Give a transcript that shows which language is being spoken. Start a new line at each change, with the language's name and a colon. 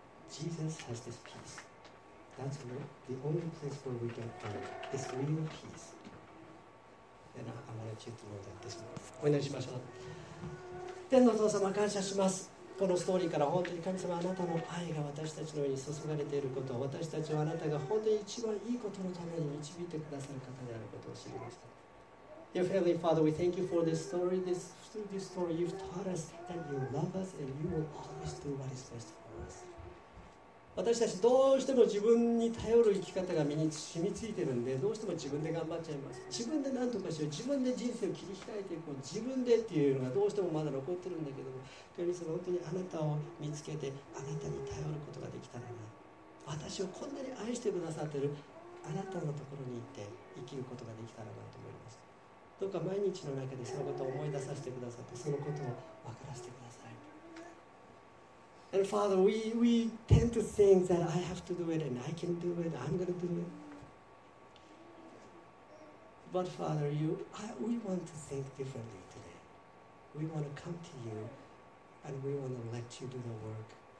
English: Jesus has this peace. That's the only place where we can find this real peace. And I want you to know that this morning.
Japanese: お祈りしましょう。天のお父様、感謝します。このストーリーから本当に神様、あなたの愛が私たちの上に注がれていること、私たちをあなたが本当に一番いいことのために導いてくださる方であることを知りました。
English: Dear Heavenly Father, we thank you for this story. Through this story, you've taught us that you love us and you will always do what is best for us.
Japanese: 私たちどうしても自分に頼る生き方が身に染みついてるんで、どうしても自分で頑張っちゃいます。自分で何とかしよう、自分で人生を切り開いていこう、自分でっていうのがどうしてもまだ残ってるんだけども、神様、本当にあなたを見つけて、あなたに頼ることができたらな。私をこんなに愛してくださってるあなたのところに行って生きることができたらなと思います。どうか毎日の中でそのことを思い出させてくださって、そのことを分からせてください。
English: And Father, we tend to think that I have to do it and I can do it, I'm going to do it. But Father, we want to think differently today. We want to come to you and we want to let you do the work.